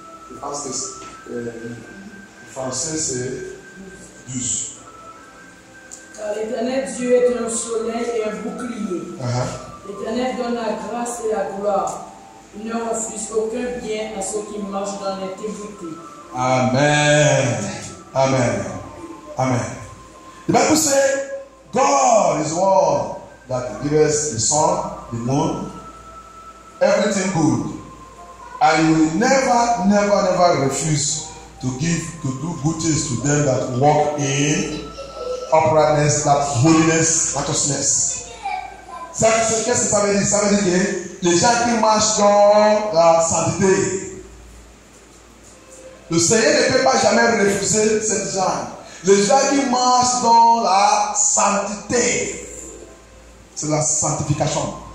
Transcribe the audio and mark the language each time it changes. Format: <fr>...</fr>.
<fr>Je pense que le français, c'est 12. Car l'Éternel Dieu est un soleil et un bouclier. L'Éternel donne la grâce et la gloire. Il ne refuse aucun bien à ceux qui marchent dans l'intégrité. Amen. Amen. Amen. Le Bible dit,</fr> <en>God is one that gives the sun, the moon, everything good. And you will never, never, never refuse to give, to do good things to them that walk in uprightness, that holiness, righteousness.</en> <fr>Ça, qu'est-ce que ça veut dire? Ça veut dire que les gens qui marchent dans la sainteté, le Seigneur ne peut pas jamais refuser ces gens. Les gens qui marchent dans la sainteté, c'est la sanctification.</fr>